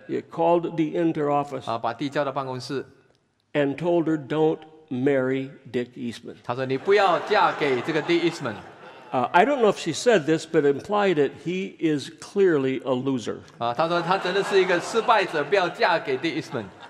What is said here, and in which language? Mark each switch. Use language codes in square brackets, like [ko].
[en] He called the inter office, [zh] 把地叫到办公室。 [en] And told her, don't marry Dick Eastman. [zh] 她说你不要嫁给这个 Dick Eastman。 [en] I don't know if she said this, but implied it, he is clearly a loser. [zh] 她说她真的是一个失败者，不要嫁给 Dick Eastman。